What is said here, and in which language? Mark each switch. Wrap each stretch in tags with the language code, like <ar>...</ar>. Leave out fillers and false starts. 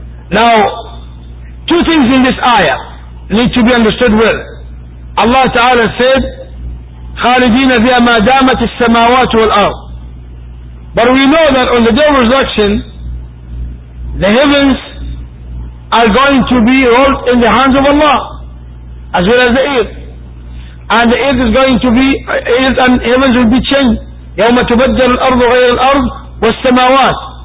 <en>Now, two things in this ayah need to be understood well. Allah Ta'ala said,</en> <ar>خَالِدِينَ فِيَا مَا دَامَتِ السَّمَاوَاتُ وَالْأَرْضِ.</ar> <en>But we know that on the day of resurrection, the heavens are going to be rolled in the hands of Allah, as well as the earth. And the earth is going to be, earth and heavens will be changed.</en> <ar>يَوْمَ تُبَدَّلُ الْأَرْضُ غَيْرَ الْأَرْضِ وَالسَّمَاوَاتِ.</ar>